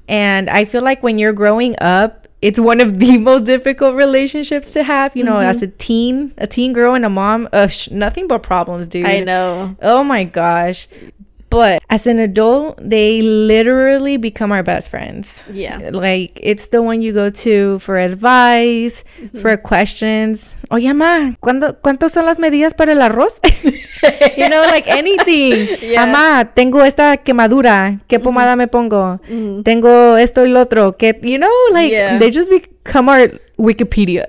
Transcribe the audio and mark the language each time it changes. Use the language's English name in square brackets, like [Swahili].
[English] And I feel like when you're growing up, it's one of the most difficult relationships to have, you know, mm-hmm. as a teen girl and a mom. Nothing but problems, dude. I know. Oh my gosh. But as an adult, they literally become our best friends. Yeah. Like, it's the one you go to for advice, mm-hmm. for questions. [Spanish] Oye, ma, ¿cuántos son las medidas para el arroz? [English] You know, like anything. Yeah. [Spanish] Ama, tengo esta quemadura. ¿Qué pomada mm-hmm. me pongo? Mm-hmm. Tengo esto y lo otro. ¿Qué? [English] You know, like, yeah. they just become our Wikipedia.